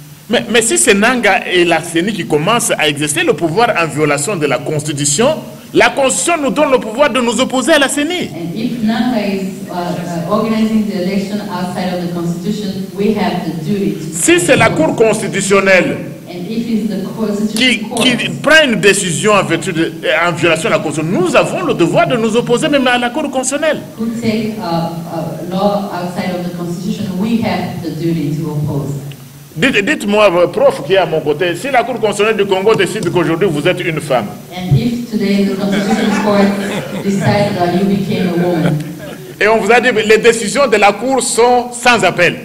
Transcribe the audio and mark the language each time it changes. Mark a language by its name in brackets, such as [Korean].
[French] Mais si c'est Nanga et la CENI qui commencent à exercer le pouvoir en violation de la Constitution, la Constitution nous donne le pouvoir de nous opposer à la CENI. [English] And if Nanga is organizing the election outside of the Constitution, we have the duty. [French] Si c'est la Cour constitutionnelle qui prend une décision en violation de la Constitution, nous avons le devoir de nous opposer même à la Cour constitutionnelle. [English] Who take a law outside of the Constitution? have the duty to oppose that. [French] Dites-moi, prof qui est à mon côté, si la Cour constitutionnelle du Congo décide qu'aujourd'hui vous êtes une femme. [English] And if today the Constitutional Court decided that you became a woman. [French] Et on vous a dit que les décisions de la Cour sont sans appel.